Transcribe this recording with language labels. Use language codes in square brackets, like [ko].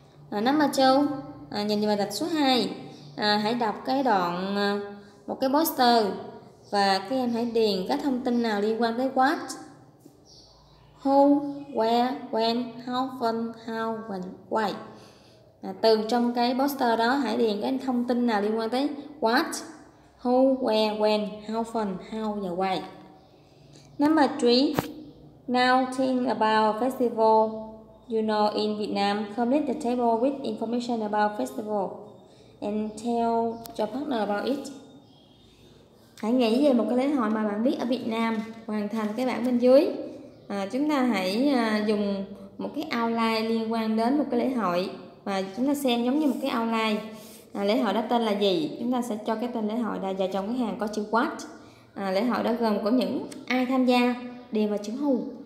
[en] Number 2, [vi] nhìn vào tập số 2, hãy đọc cái đoạn một cái poster và các em hãy điền các thông tin nào liên quan tới what, who, where, when, how, when, how, when, why. Từ trong cái poster đó hãy điền cái thông tin nào liên quan tới what, who, where, when, how, when, how và why. [en] Number 3, now think about festival you know in Vietnam. Complete the table with information about festival and tell your partner about it. [vi] Hãy nghĩ về một cái lễ hội mà bạn biết ở Việt Nam, hoàn thành cái bảng bên dưới. Chúng ta hãy dùng một cái outline liên quan đến một cái lễ hội và chúng ta xem giống như một cái outline. Lễ hội đó tên là gì? Chúng ta sẽ cho cái tên lễ hội đã vào trong cái hàng có chữ what. Lễ hội đó gồm có những ai tham gia, điền vào chữ who.